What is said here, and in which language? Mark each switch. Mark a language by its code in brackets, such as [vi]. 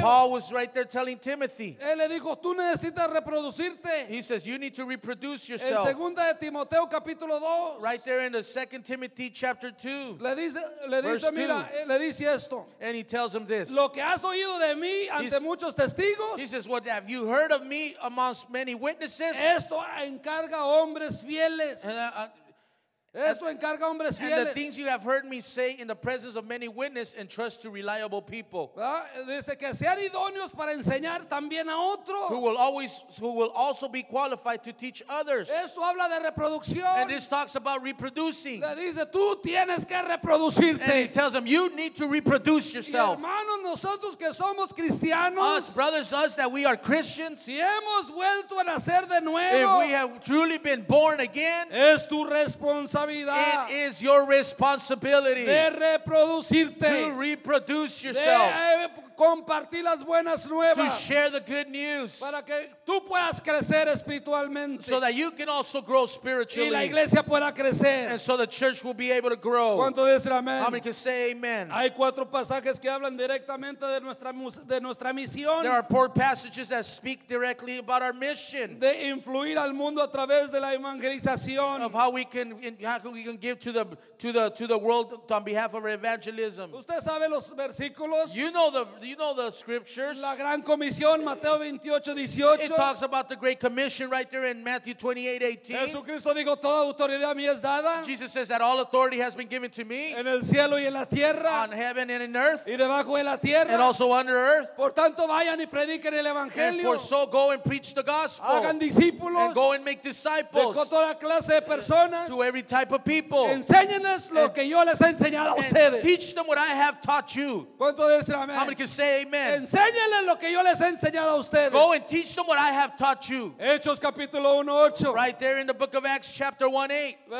[en] Paul was right there telling Timothy. [es] Él le dijo, tú necesitas reproducirte. [en] He says, you need to reproduce yourself. [es] En segunda de Timoteo capítulo 2. [en] Right there in the 2 Timothy chapter 2. [es] Le dice, mira, le dice esto. [en] And he tells him this. [es] Lo que has oído de mí ante muchos testigos. [en] He says, what have you heard of me amongst many witnesses? [es] Esto encarga hombres fieles. [en] And the things you have heard me say in the presence of many witnesses, entrust to reliable people. Who will also be qualified to teach others. [es] Esto habla de reproducción. [en] And this talks about reproducing. [es] Le dice, tú tienes que reproducirte. [en] And he tells them, you need to reproduce yourself. [es] Y hermanos, nosotros que somos cristianos, [en] us, brothers, us that we are Christians, [es] si hemos vuelto a nacer de nuevo, [en] if we have truly been born again, [es] es tu responsabilidad. responsabilidad. [en] It is your responsibility [es] de reproducirte. [en] To reproduce yourself. [es] De compartir las buenas nuevas. [en] To share the good news. [es] Para que tú puedas crecer espiritualmente. [en] So that you can also grow spiritually. [es] Y la iglesia pueda crecer. [en] And so the church will be able to grow. [es] ¿Cuánto dice amén? [en] How many can say amen? [es] Hay cuatro pasajes que hablan directamente de nuestra misión. [en] There are four passages that speak directly about our mission. [es] De influir al mundo a través de la evangelización. [en] Of how we can give to the world on behalf of our evangelism. [es] ¿Usted sabe los versículos? [en] You know the scriptures. [es] La gran comisión, Mateo 28:18. [en] It talks about the great commission right there in Matthew 28:18. [es] Jesucristo dijo, toda autoridad mía es dada. [en] Jesus says that all authority has been given to me. [es] En el cielo y en la tierra. [en] On heaven and in earth. [es] Y debajo de la tierra. [en] And also under earth. [es] Por tanto, vayan y prediquen el evangelio. [en] And for so go and preach the gospel. [es] Hagan discípulos. [en] And go and make disciples. [es] De toda clase de personas. [en] To every type of people. [es] Enséñenles lo que yo les he enseñado a ustedes. [en] Teach them what I have taught you. [es] ¿Cuánto dicen amén? [en] How many can say amen? [es] Enséñenles lo que yo les he enseñado a ustedes. [en] Go and teach them what I have taught you. [es] Hechos capítulo 1:8. [en] Right there in the book of Acts chapter 1:8.